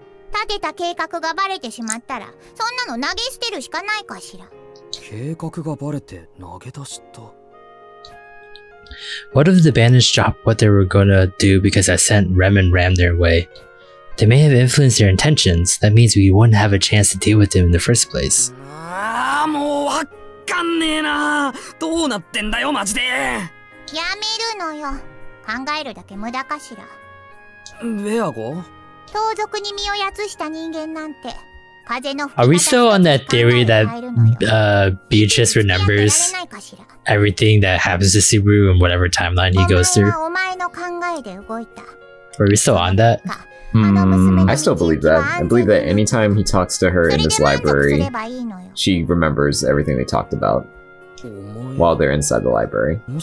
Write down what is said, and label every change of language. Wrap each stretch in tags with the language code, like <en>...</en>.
<ja>立てた計画がバレてしまったら、そんなの投げ捨てるしかないかしら。計画がバレて投げ出した。</ja> <en>What if the bandits dropped what they were gonna do because I sent Rem and Ram their way? They may have influenced their intentions. That means we wouldn't have a chance to deal with them in the first place.</en> <ja>ああ、もうわかんねえな。どうなってんだよマジで。やめるのよ。考えるだけ無駄かしら。ベアゴ？盗賊に身をやつした人間なんて。</ja> <en>Are we still on that theory that Beatrice remembers everything that happens to Subaru in whatever timeline he goes through? Are we still on that? I still believe that. I believe that anytime he talks to her in this library, she remembers everything they talked about while they're inside the library.</en>